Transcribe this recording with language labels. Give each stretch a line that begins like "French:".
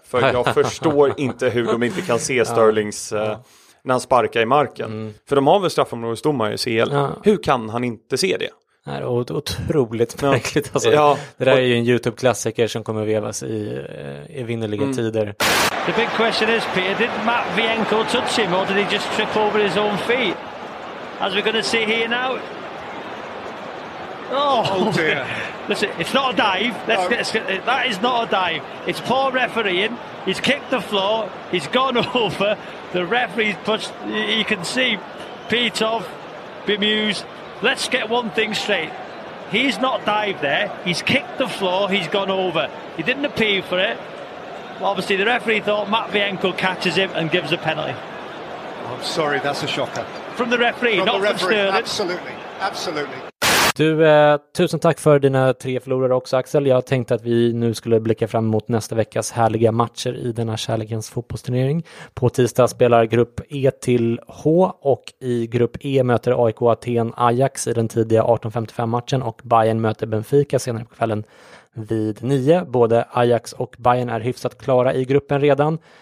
Swedish: För jag förstår inte hur de inte kan se Sterlings... när han sparkar i marken. Mm. För de har väl straffområdesdomar i CL. Ja. Hur kan han inte se det? Det är otroligt märkligt. Alltså. Ja. Det där är ju en YouTube-klassiker som kommer vevas i vinnerliga tider.
English: The big question is, Peter, did Matt Vienko touch him or did he just trip over his own feet? As we're going to see here now. Oh dear. Listen, it's not a dive. That is not a dive. It's poor refereeing. He's kicked the floor. He's gone over. The referee's pushed. You can see Petov, bemused. Let's get one thing straight. He's not dived there. He's kicked the floor. He's gone over. He didn't appeal for it. Well, obviously, the referee thought Matvienko catches him and gives a penalty. Oh, I'm sorry, that's a shocker. From the referee, from not the referee, from Sterling. Absolutely, absolutely.
Swedish: Du, tusen tack för dina 3 förlorare också, Axel. Jag tänkte att vi nu skulle blicka fram mot nästa veckas härliga matcher i denna kärlekens fotbollsturnering. På tisdag spelar grupp E till H, och i grupp E möter AIK Aten Ajax i den tidiga 18:55-matchen, och Bayern möter Benfica senare på kvällen vid 9. Både Ajax och Bayern är hyfsat klara i gruppen redan.